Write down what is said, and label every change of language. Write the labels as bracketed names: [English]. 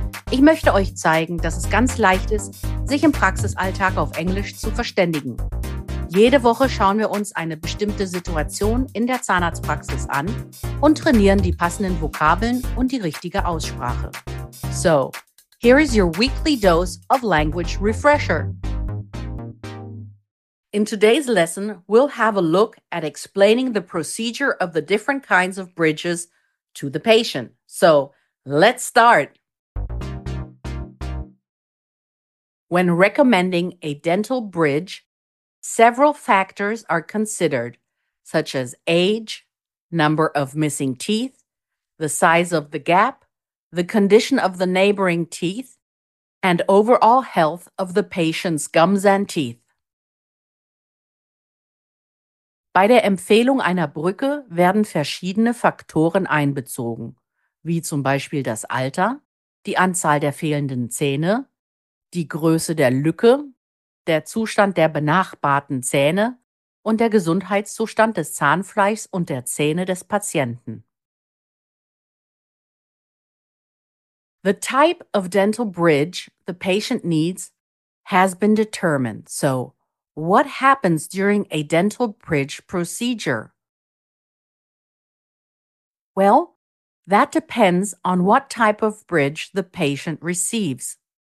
[German] Ich möchte euch zeigen, dass es ganz leicht ist, sich im Praxisalltag auf Englisch zu verständigen. Jede Woche schauen wir uns eine bestimmte Situation in der Zahnarztpraxis an und trainieren die passenden Vokabeln und die richtige Aussprache. [English] So, here is your weekly dose of language refresher. In today's lesson, we'll have a look at explaining the procedure of the different kinds of bridges to the patient. So, let's start! When recommending a dental bridge, several factors are considered, such as age, number of missing teeth, the size of the gap, the condition of the neighboring teeth, and overall health of the patient's gums and teeth. [German] Bei der Empfehlung einer Brücke werden verschiedene Faktoren einbezogen, wie zum Beispiel das Alter, die Anzahl der fehlenden Zähne, die Größe der Lücke, der Zustand der benachbarten Zähne und der Gesundheitszustand des Zahnfleischs und der Zähne des Patienten. [English] The type of dental bridge the patient needs has been determined, so what happens during a dental bridge procedure? Well, that depends on what type of bridge the patient receives.